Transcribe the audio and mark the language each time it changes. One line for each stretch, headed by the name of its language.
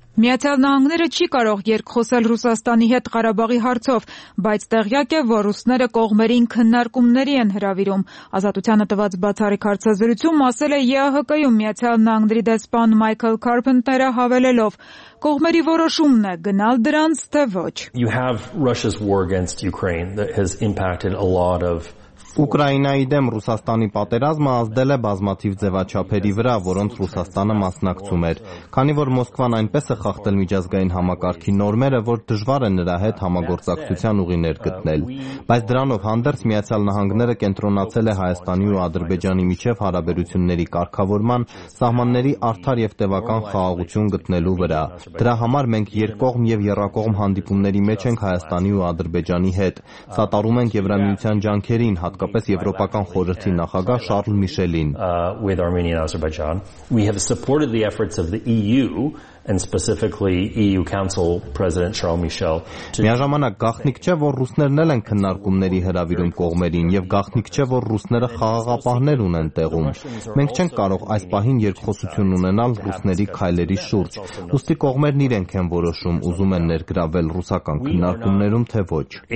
Armenian: Միացյալ Նահանգները չի կարող երկխոսել Ռուսաստանի հետ Ղարաբաղի հարցով, բայց տեղյակ է, որ ռուսները կողմերին քննարկումների են հրավիրում։ Ազատությանը տված բացառիկ հարցազրույցում ասել է ԵԱՀԿ-ում Միացյալ Նահանգների դեսպան Մայքլ Քարփենթերը հավելելով. Կողմերի որոշումն է գնալ դրանց, թե ոչ։
English: You have Russia's war against Ukraine that has impacted a lot of
Armenian: Ուկրաինայի դեմ Ռուսաստանի պատերազմը ազդել է բազմաթիվ ձևաչափերի վրա, որոնց Ռուսաստանը մասնակցում էր։ Քանի որ Մոսկվան այնպես է խախտել միջազգային համակարգի նորմերը, որ դժվար է նրա հետ համագործակցության ուղիներ գտնել, բայց դրանով հանդերձ Միացյալ Նահանգները կենտրոնացել է Հայաստանի ու Ադրբեջանի միջև հարաբերությունների կարգավորման, սահմանների արդար եւ տևական խաղաղություն գտնելու վրա։ Դրա համար մենք երկկողմ եւ երրակողմ հանդիպումների մեջ ենք Հայաստանի ու Ադրբեջանի հետ։ Սատարում ենք Եվրամիության ջանքերին, հատկապես Եվրոպական խորհրդի նախագահ Շարլ Միշելին.
English: With Armenia and Azerbaijan, we have supported the efforts of the EU and specifically EU Council President Charles Michel.
Armenian: Միաժամանակ գաղտնիք չէ, որ ռուսներն են քննարկումների հրավիրում կողմերին, եւ գաղտնիք չէ, որ ռուսները խաղաղապահներ ունեն տեղում։ Մենք չենք կարող այս պահին երկխոսություն ունենալ ռուսների քայլերի շուրջ։ Ուստի կողմերն իրենք են որոշում, ուզում են ներգրավել ռուսական քննարկումներում թե ոչ։